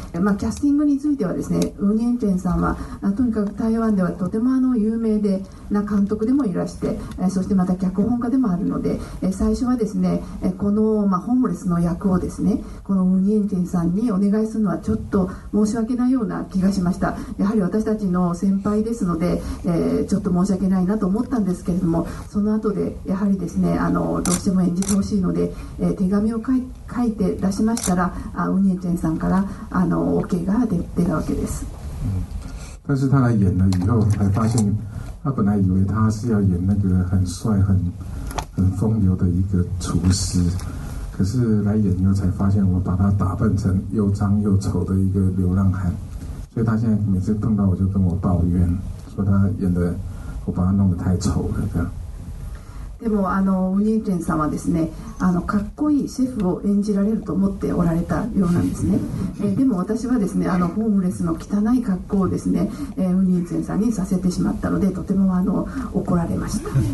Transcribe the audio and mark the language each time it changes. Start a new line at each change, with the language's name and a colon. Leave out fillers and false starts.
Japanese: まあ、キャスティングについてはですね、ウーニェンジェンさんはとにかく台湾ではとても有名でな監督でもいらして、そしてまた脚本家でもあるので、最初はですね、この、まあ、ホームレスの役をですね、このウーニェンジェンさんにお願いするのはちょっと申し訳ないような気がしました。やはり私たちの先輩ですので、ちょっと申し訳ないなと思ったんですけれども、その後でやはりですね、どうしても演じてほしいので、手紙を書いて出しましたら、ウニエチェンさんからOK が出たわけです。
Chinese: 但是他来演了以后才发现，他本来以为他是要演那个很帅很风流的一个厨师，可是来演以后才发现我把他打扮成又脏又丑的一个流浪汉，所以他现在每次碰到我就跟我抱怨说他演的我把他弄得太丑了。
Japanese: でもあのウニーテンさんはですね、あのかっこいいシェフを演じられると思っておられたようなんですね。でも私はですね、あのホームレスの汚い格好をですね、ウニーテンさんにさせてしまったので、とてもあの怒られました。